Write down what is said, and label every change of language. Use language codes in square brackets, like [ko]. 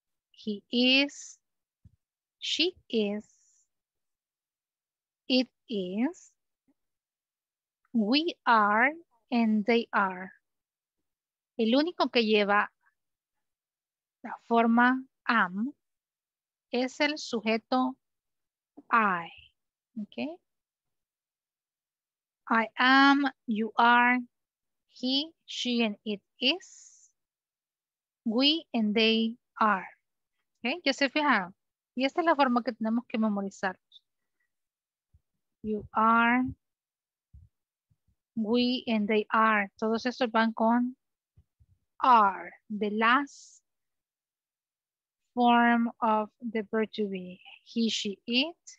[en] He is, she is, it is, we are, and they are. [es] El único que lleva la forma am es el sujeto I. [en] Okay. I am, you are, he, she, and it is, we, and they are. [es] Okay, ya se fijaron. Y esta es la forma que tenemos que memorizar. [en] You are, we, and they are. [es] Todos estos van con [en] are, the last form of the verb to be. He, she, it.